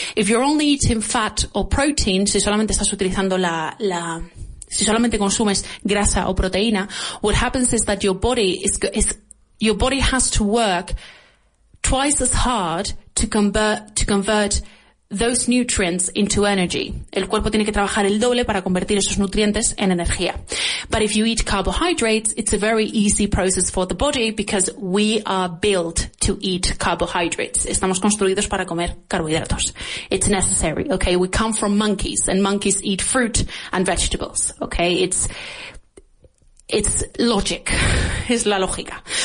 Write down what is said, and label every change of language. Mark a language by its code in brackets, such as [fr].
[en] If you're only eating fat or protein, [es] si solamente estás utilizando si solamente consumes grasa o proteína, [en] what happens is that your body is your body has to work twice as hard to convert those nutrients into energy. [es] El cuerpo tiene que trabajar el doble para convertir esos nutrientes en energía. [en] But if you eat carbohydrates, it's a very easy process for the body because we are built to eat carbohydrates. [es] Estamos construidos para comer carbohidratos. [en] It's necessary, okay? We come from monkeys, and monkeys eat fruit and vegetables, okay? It's logic. [es] Es la lógica.